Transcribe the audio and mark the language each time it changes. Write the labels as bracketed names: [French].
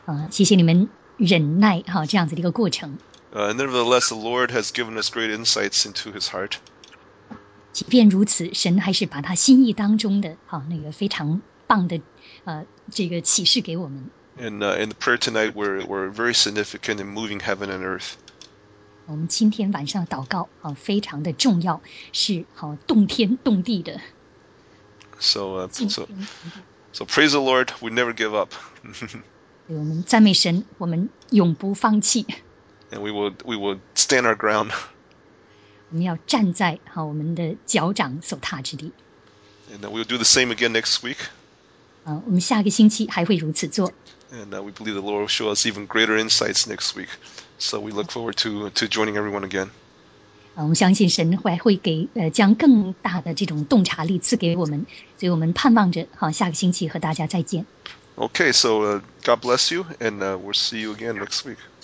[Chinese] 谢谢你们忍耐哈这样子的一个过程。 [English] Nevertheless, the Lord has given us great insights into His heart. [Chinese] 即便如此，神还是把他心意当中的哈那个非常棒的这个启示给我们。 [English] And the prayer tonight were very significant in moving heaven and earth. [Chinese] 我们今天晚上祷告啊，非常的重要，是好动天动地的。 [English] So praise the Lord, we never give up. [Chinese] 对，我们赞美神，我们永不放弃。 [English] And we will stand our ground. [Chinese] 我们要站在好我们的脚掌所踏之地。 [English] And we'll do the same again next week. [Chinese] 我们下个星期还会如此做。 [English] And we believe the Lord will show us even greater insights next week. So we look forward to joining everyone again. [Chinese] 我们相信神会给将更大的这种洞察力赐给我们，所以我们盼望着好下个星期和大家再见。 [English] Okay, so God bless you, and we'll see you again next week.